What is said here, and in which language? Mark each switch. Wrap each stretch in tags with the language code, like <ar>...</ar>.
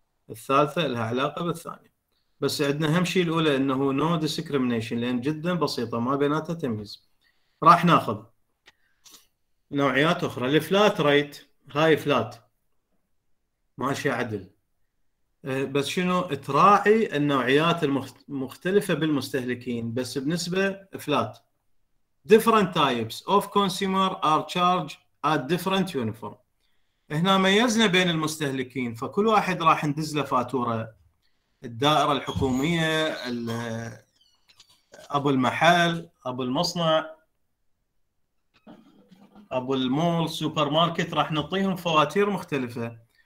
<ar>الثالثه لها علاقه بالثانيه. بس عندنا اهم شيء الاولى انه</ar> <en>no discrimination,</en> <ar>لان جدا بسيطه ما بيناتها تمييز. راح ناخذ نوعيات اخرى. الفلات ريت، هاي فلات ماشي عدل، بس شنو؟ تراعي النوعيات المختلفه بالمستهلكين بس بنسبه فلات.</ar> <en>Different types of consumer are charged at different uniform.</en> <ar>هنا ميزنا بين المستهلكين، فكل واحد راح ندز له فاتوره، الدائره الحكوميه، ابو المحل، ابو المصنع، ابو المول، سوبر ماركت، راح نعطيهم فواتير مختلفه.</ar>